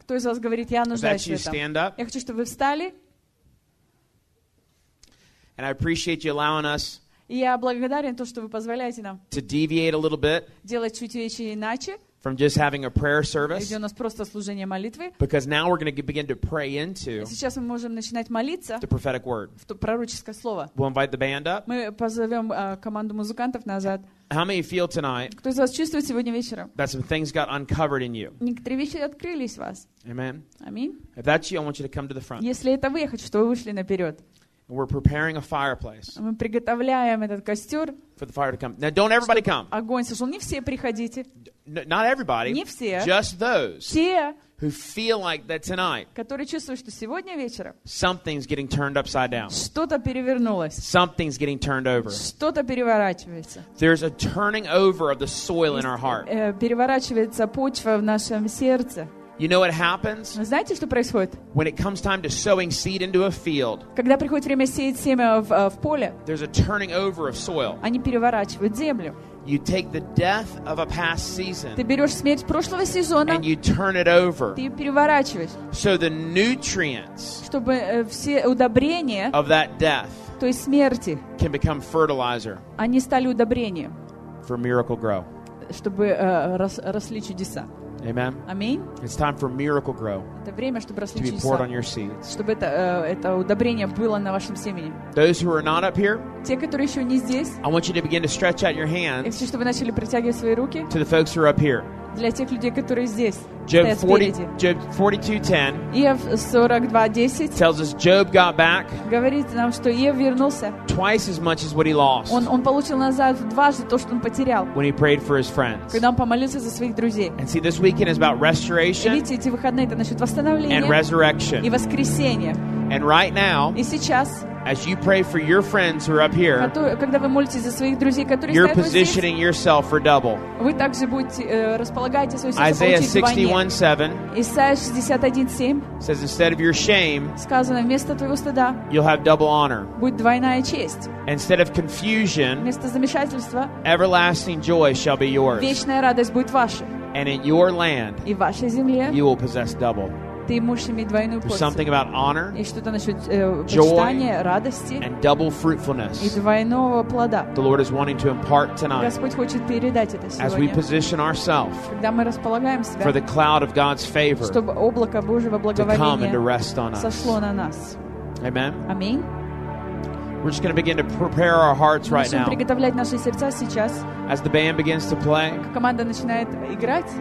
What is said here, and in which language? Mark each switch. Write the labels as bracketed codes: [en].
[ru] Кто из вас говорит, я нуждаюсь в этом? [en] Stand up. [ru] Я хочу, чтобы вы встали. [en] And I appreciate you allowing us. [ru] Я благодарен то, что вы позволяете нам. [en] To deviate a little bit. [ru] Делать чуть-чуть иначе. [en] from just having a prayer service. [ru] Где у нас просто служение молитвы. [en] Because now we're going to begin to pray into. [ru] Сейчас мы можем начинать молиться. [en] The prophetic word. [ru] В то пророческое слово. [en] We'll invite the band up. [ru] Мы позовем команду музыкантов назад. [en] How many feel tonight? [ru] Кто из вас чувствует сегодня вечером? [en] That some things got uncovered in you. [ru] Некоторые вещи открылись в вас. [en] Amen. [ru] Аминь. [en] If that's you, I want you to come to the front. [ru] Если это вы, я хочу, чтобы вы вышли наперед. [en] We're preparing a fireplace. [ru] Мы приготовляем этот костер. [en] For the fire to come. Now, don't everybody come. [ru] Огонь сошел. Не все приходите. [en] Not everybody. [ru] Не все. [en] Just those. [ru] Те. [en] Who feel like that tonight? [ru] Которые чувствуют, что сегодня вечером. [en] Something's getting turned upside down. [ru] Что-то перевернулось. [en] Something's getting turned over. [ru] Что-то переворачивается. [en] There's a turning over of the soil in our heart. [ru] Переворачивается почва в нашем сердце. [en] You know what happens? [ru] Знаете, что происходит? [en] When it comes time to sowing seed into a field. [ru] Когда приходит время сеять семя в поле. [en] There's a turning over of soil. [ru] Они переворачивают землю. [en] You take the death of a past season. [ru] Ты берешь смерть прошлого сезона. [en] And you turn it over. [ru] Ты ее переворачиваешь. [en] So the nutrients. [ru] Чтобы все удобрения. [en] Of that death. [ru] То есть смерти. [en] Can become fertilizer. [ru] Они стали удобрением. [en] For miracle grow. [ru] Чтобы росли чудеса. [en] Amen. [ru] Аминь. [en] It's time for miracle grow. [ru] Это время, чтобы росли чудеса. [en] To be poured on your seeds. [ru] Чтобы это удобрение было на вашем семени. [en] Those who are not up here. [ru] Те, которые еще не здесь. [en] I want you to begin to stretch out your hands. [ru] Я хочу, чтобы вы начали протягивать свои руки. [en] To the folks who are up here. [ru] Для тех людей, которые здесь. [en] Job 42:10. [ru] Иов 42:10. [en] Tells us Job got back. [ru] Говорит нам, что Иов вернулся. [en] Twice as much as what he lost. [ru] Он получил назад дважды то, что он потерял. [en] When he prayed for his friends. [ru] Когда он помолился за своих друзей. [en] And see, this weekend is about restoration. [ru] Видите, эти выходные это насчет восстановления. [en] And resurrection. [ru] И воскресения. [en] And right now. [ru] И сейчас. [en] As you pray for your friends who are up here, [ru] когда вы молитесь за своих друзей, которые стоят здесь, [en] you're positioning yourself for double. [ru] Вы также будете располагаете свое сердце. [en] Isaiah 61:7. [ru] Исайя 61:7 [en] says, instead of your shame, [ru] сказано вместо твоего стыда, [en] you'll have double honor. [ru] Будет двойная честь. [en] Instead of confusion, [ru] вместо замешательства, [en] everlasting joy shall be yours. [ru] Вечная радость будет ваша. [en] And in your land, [ru] и вашей земле, [en] you will possess double. There's something about honor, joy, [ru] радости, [en] and double fruitfulness. The Lord is wanting to impart tonight as we position ourselves for the cloud of God's favor to come and to rest on us. Amen. Amen. We're just going to begin to prepare our hearts right now. [ru] Приготовлять наши сердца сейчас. [en] As the band begins to play. [ru] Команда начинает играть.